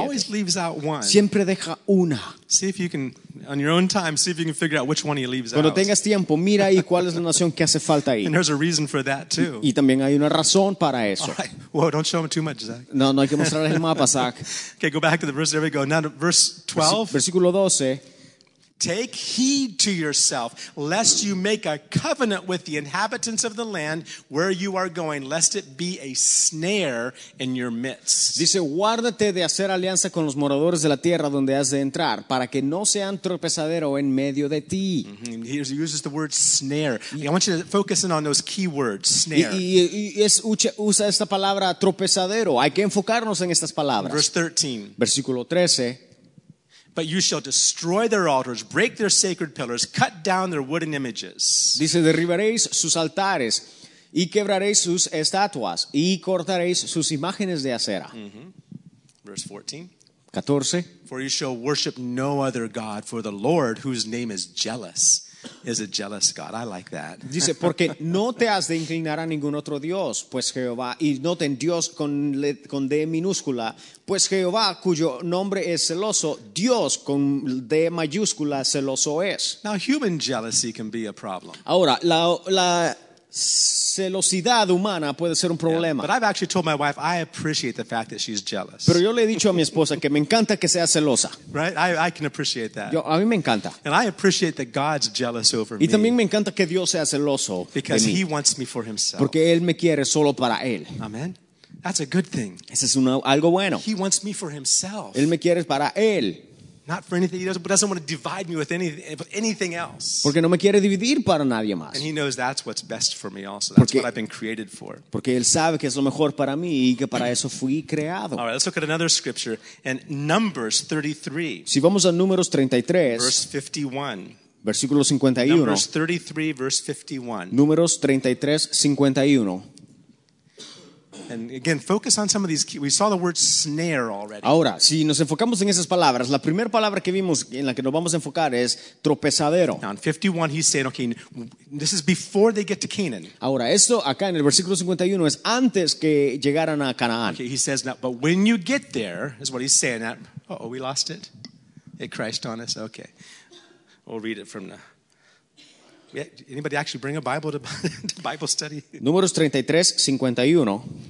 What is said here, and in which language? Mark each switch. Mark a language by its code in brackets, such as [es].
[en] He always leaves out one. [es] Siempre deja una. [en] See if you can, on your own time, see if you can figure out which one he leaves out. [es] Cuando tengas tiempo, mira ahí cuál es la nación que hace falta ahí. [en] And there's a reason for that, too. [es] Y también hay una razón para eso. [en] All right. Whoa, don't show him too much, Zach. [es] No, no hay que mostrarle el mapa, Zach. [en] Okay, go back to the verse. There we go. Now, verse 12. [es] Versículo 12. [en] Take heed to yourself, lest you make a covenant with the inhabitants of the land where you are going, lest it be a snare in your midst. [es] Dice, guárdate de hacer alianza con los moradores de la tierra donde has de entrar, para que no sean tropezadero en medio de ti. [en] He uses the word snare. I want you to focus in on those key words, snare. [es] Usa esta palabra tropezadero. Hay que enfocarnos en estas palabras. [en] Verse 13. [es] Versículo 13. [en] But you shall destroy their altars, break their sacred pillars, cut down their wooden images. [es] Dice, derribaréis sus altares, y quebraréis sus estatuas, y cortaréis sus imágenes de acera. [en] Mm-hmm. Verse 14. [es] 14. [en] For you shall worship no other god, for the Lord, whose name is jealous, is a jealous God. I like that. [es] Dice, porque no te has de inclinar a ningún otro Dios, pues Jehová, y noten Dios con D minúscula, pues Jehová, cuyo nombre es celoso, Dios con D mayúscula celoso es. [en] Now, human jealousy can be a problem. [es] Ahora, la celosidad humana puede ser un problema. [en] Yeah, but I've actually told my wife I appreciate the fact that she's jealous. [es] Pero yo le he dicho a mi esposa que me encanta que sea celosa. [en] Right? I can appreciate that. [es] A mí me encanta. [en] And I appreciate that God's jealous over me. [es] Y también me encanta que Dios sea celoso de mí. [en] Because he wants me for himself. [es] Porque él me quiere solo para él. [en] Amen. That's a good thing. [es] Eso es algo bueno. [en] He wants me for himself. [es] Él me quiere para él. [en] Not for anything, he doesn't want to divide me with anything else. [es] Porque no me quiere dividir para nadie más. [en] And he knows that's what's best for me also. That's what I've been created for. [es] Porque él sabe que es lo mejor para mí y que para eso fui creado. [en] All right, let's look at another scripture in Numbers 33. [es] Si vamos a Números 33. [en] Verse 51. [es] Versículo 51. [en] Numbers 33, verse 51. [es] Números 33, 51. [en] And again, focus on some of these. We saw the word snare already. [es] Ahora, si nos enfocamos en esas palabras, la primera palabra que vimos en la que nos vamos a enfocar es tropezadero. [en] Now in 51, he's saying, okay, this is before they get to Canaan. [es] Ahora, esto acá en el versículo 51 es antes que llegaran a Canaán. [en] Okay, he says, now, but when you get there, is what he's saying. Uh-oh, we lost it? It crashed on us? Okay. We'll read it from the... Anybody actually bring a Bible to Bible study? [es] Números 33, 51.